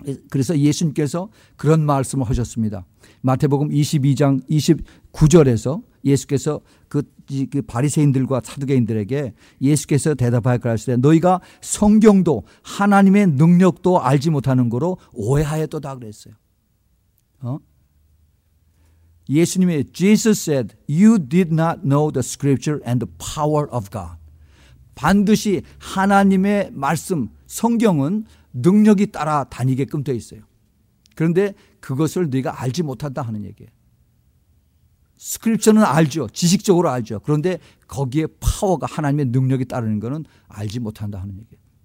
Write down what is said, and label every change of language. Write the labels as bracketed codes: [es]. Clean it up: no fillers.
[ko] 그래서 예수님께서 그런 말씀을 하셨습니다. 마태복음 22장 29절에서 예수께서 그 바리새인들과 사두개인들에게 예수께서 대답하여 가라사대 너희가 성경도 하나님의 능력도 알지 못하는 거로 오해하였도다 그랬어요. 예수님의 [en] Jesus said you did not know the scripture and the power of God. [ko] 반드시 하나님의 말씀 성경은 능력이 따라 다니게끔 되어 있어요. 그런데 그것을 네가 알지 못한다 하는 얘기예요. 스크립처는 알죠. 지식적으로 알죠. 그런데 거기에 파워가 하나님의 능력이 따르는 것은 알지 못한다 하는 얘기예요.